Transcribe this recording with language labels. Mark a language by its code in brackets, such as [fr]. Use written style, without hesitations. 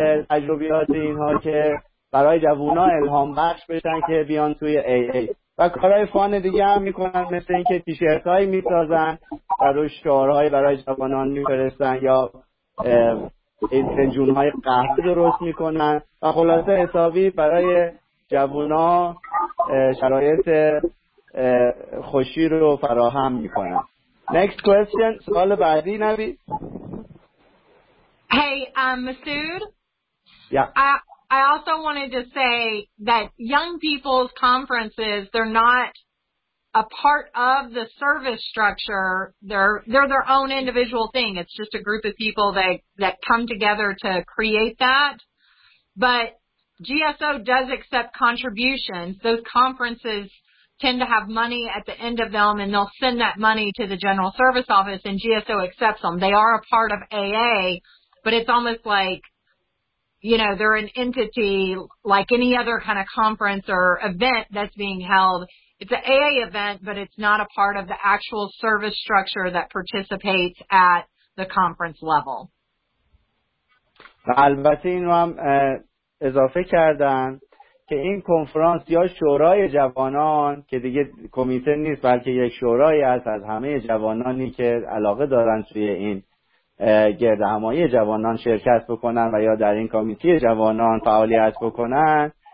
[fa] تجربیات اینها که برای جوونا الهام بخش بشن که بیان توی ای ای و کارهای فان دیگه هم میکنن مثل اینکه تیشرت هایی میسازن و روی شعارهای برای جوانان میفرستن یا فنجون های قهوه درست میکنن و خلاصه حسابی برای جوونا شرایط خوشی رو فراهم میکنن [en] Next question [fa] سوال بعدی نوید [en] Hey I'm Masood Yeah I also wanted to say that young people's conferences, they're not a part of the service structure. They're their own individual thing. It's just a group of people that come together to create that. But GSO does accept contributions. Those conferences tend to have money at the end of them, and they'll send that money to the General Service Office, and GSO accepts them. They are a part of AA, but it's almost like, you know, they're an entity like any other kind of conference or event that's being held. It's an AA event, but it's not a part of the actual service structure that participates at the conference level. [fa] البته این رو هم اضافه کردن که این کنفرانس یا شورای جوانان که دیگه کمیته نیست بلکه یک شورای است از همه جوانانی که علاقه دارن توی این گرد همایی جوانان شرکت بکنن و یا در این کمیته جوانان فعالیت بکنن